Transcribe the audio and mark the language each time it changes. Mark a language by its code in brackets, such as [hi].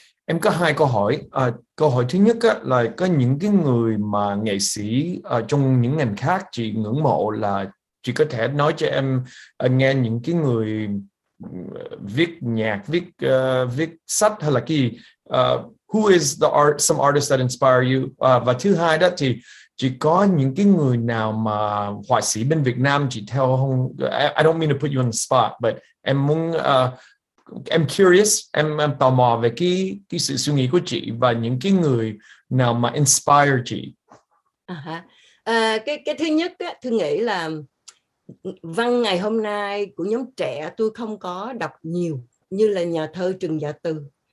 [vi] Em có hai câu hỏi. Câu hỏi thứ nhất là có những cái người mà nghệ sĩ trong những ngành khác chị ngưỡng mộ, là chị có thể nói cho em nghe những cái người viết nhạc, viết sách hay là cái gì? [en] Who is the art, some artist that inspire you? [vi] Và thứ hai đó thì chị có những cái người nào mà họa sĩ bên Việt Nam chị theo không? [en] I don't mean to put you on the spot, but [vi] em muốn... [en] I'm curious, [vi] em tò mò về cái sự suy nghĩ của chị và những cái người nào mà inspire chị. Cái thứ nhất á, tôi nghĩ là văn ngày hôm nay của nhóm trẻ tôi không có đọc nhiều như là nhà thơ Trần Dạ Từ.